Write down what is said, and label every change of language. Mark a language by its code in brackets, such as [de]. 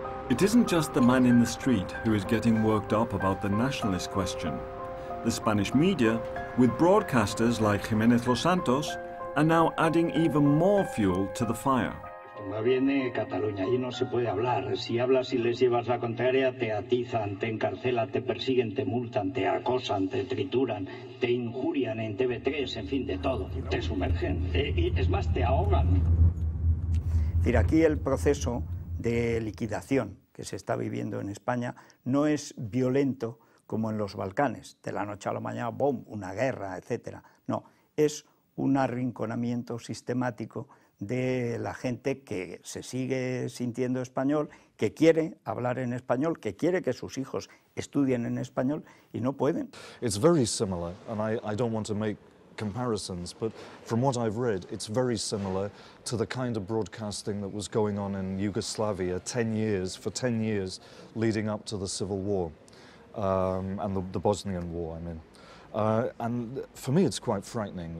[en] It isn't just the man in the street who is getting worked up about the nationalist question. The Spanish media, with broadcasters like Jiménez Los Santos, are now adding even more fuel to the fire. [es] Me viene Cataluña, allí no se puede hablar. Si hablas y les llevas la contraria, te atizan, te encarcelan, te persiguen, te multan, te acosan, te trituran, te injurian en TV3, en fin, de todo. Te sumergen, es más, te ahogan. Mira, aquí el proceso de liquidación que se está viviendo en España no es violento como en los Balcanes, de la noche a la mañana, ¡boom!, una guerra, etcétera. No, es un arrinconamiento sistemático de la gente que se sigue sintiendo español, que quiere hablar en español, que quiere que sus hijos estudien en español y no pueden. [en] It's very similar, and I don't want to make comparisons, but from what I've read, it's very similar to the kind of broadcasting that was going on in Yugoslavia for 10 years leading up to the civil war. And the Bosnian War, I mean. And for me, it's quite frightening.